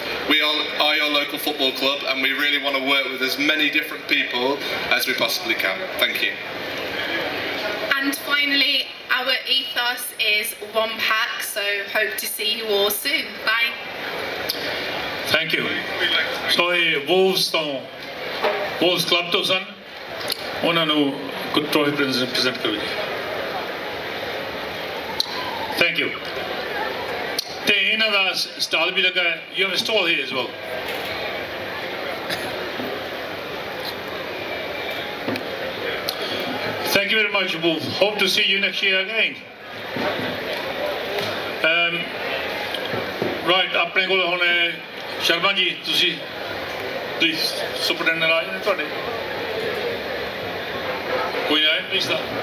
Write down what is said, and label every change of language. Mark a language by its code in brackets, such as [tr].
[en] We all are your local football club, and we really want to work with as many different people as we possibly can. Thank you. And finally, finally, our ethos is one pack, so hope to see you all soon. Bye. Thank you. [pa] So, Wolves ਤੋਂ Wolves Club ਤੋਂ ਸਨ, ਉਹਨਾਂ ਨੂੰ trophy present ਕਰੋ ਜੀ. [en] Thank you. [pa] ਅਤੇ ਇਹਨਾਂ ਦਾ stall ਵੀ ਲੱਗਾ ਹੈ, [en] You have a stall here as well. Thank you very much, Wolf. Hope to see you next year again. [pa] Right, ਆਪਣੇ ਕੋਲ ਹੁਣ ਸ਼ਰਮਾ ਜੀ, ਤੁਸੀਂ ਪਲੀਜ਼ ਸੁਪਰਡੈਂਡੈਂਟ ਆ ਜਾਂਦੇ, ਤੁਹਾਡੇ ਕੋਈ ਆਇਆ ਪਲੀਜ਼ ਤਾਂ.